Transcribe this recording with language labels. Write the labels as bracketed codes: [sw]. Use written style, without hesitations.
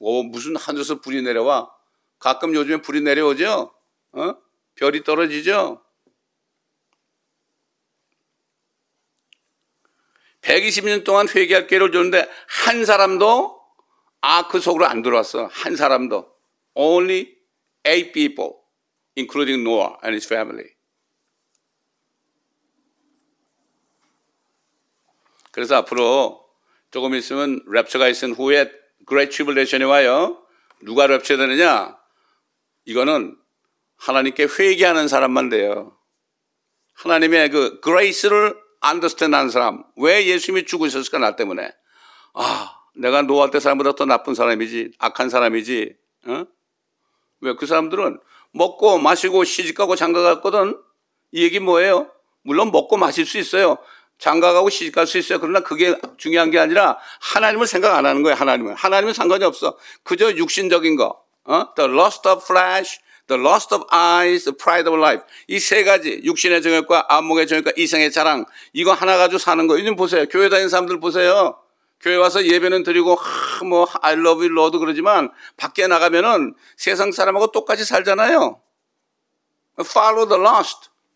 [ko] 무슨 하늘에서 불이 내려와? 가끔 요즘에 불이 내려오죠. 별이 떨어지죠. 120년 동안 회개할 기회를 줬는데 한 사람도 아크 속으로 안 들어왔어. 한 사람도. [en] Only eight people, including Noah and his family. [ko] 그래서 앞으로 조금 있으면 랩처가 있은 후에 Great Tribulation이 와요. 누가 랩처 되느냐? 이거는 하나님께 회개하는 사람만 돼요. 하나님의 그 grace를 understand 한 사람. 왜 예수님이 죽으셨을까? 나 때문에. 아, 내가 노아 때 사람보다 더 나쁜 사람이지. 악한 사람이지. 어? 왜 그 사람들은 먹고 마시고 시집가고 장가갔거든. 이 얘기 뭐예요? 물론 먹고 마실 수 있어요. 장가가고 시집갈 수 있어요. 그러나 그게 중요한 게 아니라 하나님을 생각 안 하는 거예요. 하나님은. 하나님은 상관이 없어. 그저 육신적인 거. 어? [en] The lust of flesh, the lust of eyes, the pride of life. [ko] 이 세 가지. 육신의 정욕과 안목의 정욕과 이생의 자랑. 이거 하나 가지고 사는 거예요. 요즘 보세요. 교회 다니는 사람들 보세요. 교회 와서 예배는 드리고 하, 뭐 [en] I love you Lord [ko] 그러지만 밖에 나가면은 세상 사람하고 똑같이 살잖아요. [en] Follow the lust.